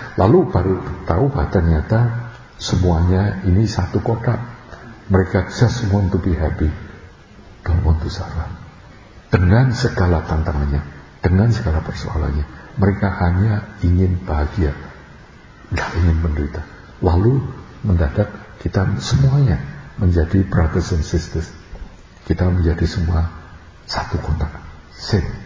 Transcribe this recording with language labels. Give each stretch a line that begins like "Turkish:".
Indonesian: Lalu baru tahu bahwa ternyata semuanya ini satu kota. Mereka
English: just want to be happy, don't want to suffer.
Indonesian: Dengan segala tantangannya, dengan segala persoalannya, mereka hanya ingin bahagia, gak ingin menderita. Lalu mendadak kita semuanya menjadi
English: brothers and sisters.
Indonesian: Kita menjadi semua satu kota, same.